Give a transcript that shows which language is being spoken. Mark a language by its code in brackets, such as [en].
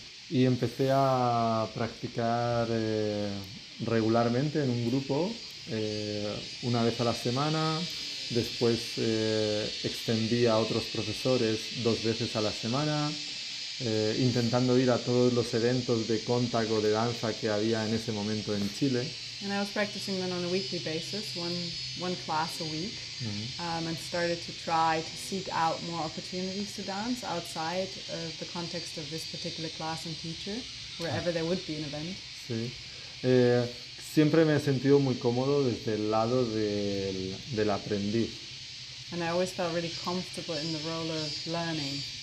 [es] Y empecé a practicar regularmente en un grupo, una vez a la semana. Después extendí a otros profesores 2 veces a la semana, intentando ir a todos los eventos de contacto de danza que había en ese momento en Chile. [en] And I was practicing then on a weekly basis, one class a week, and started to try to seek out more opportunities to dance outside of the context of this particular class and teacher, wherever there would be an event. [es] Sí. Siempre me he sentido muy cómodo desde el lado del aprendiz. [en] And I always felt really comfortable in the role of learning.